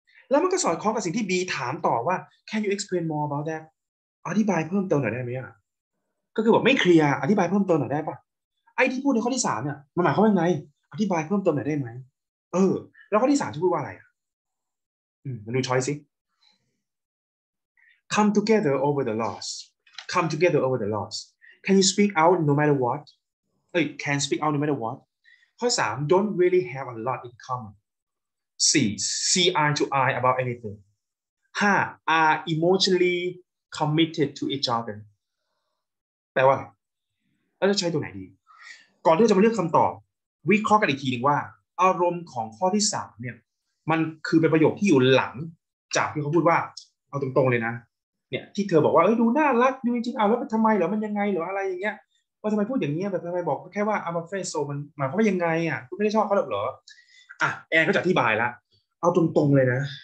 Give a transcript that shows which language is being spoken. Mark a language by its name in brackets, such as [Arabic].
[Thai] แล้วมันก็สอดคล้องกับสิ่งที่ B ถามต่อว่า [English] Can you explain more about that [Thai] อธิบายเพิ่มเติมหน่อยได้ไหมอะก็คือแบบไม่เคลียร์อธิบายเพิ่มเติมหน่อยได้ปะไอ้ที่พูดในข้อที่3เนี่ยมันหมายความว่ายังไงอธิบายเพิ่มเติมหน่อยได้ไหมแล้วข้อที่3จะพูดว่าอะไรมาดูช้อยสิ [English] Come together over the loss come together over the loss. Can you speak out no matter what? Can speak out no matter what? [Thai] ข้อ 3 [English] don't really have a lot in common. See eye to eye about anything. 5 are emotionally committed to each other. [Thai] แปลว่าเราจะใช้ตัวไหนดีก่อนที่จะมาเลือกคำตอบวิเคราะห์กันอีกทีนึงว่าอารมณ์ของข้อที่3เนี่ยมันคือเป็นประโยคที่อยู่หลังจากที่เขาพูดว่าเอาตรงๆเลยนะเนี่ยที่เธอบอกว่าเอ้ยดูน่ารักดูจริงๆอ้าวแล้วทำไมเหรอมันยังไงหรออะไรอย่างเงี้ยว่าทำไมพูดอย่างเงี้ยแบบทำไมบอกแค่ว่า [English] I'm afraid so [Thai] มันหมายความว่ายังไงอ่ะคุณไม่ได้ชอบเขาหรอกเหรออ่ะแอนก็จะอธิบายละเอาตรงๆเลยนะ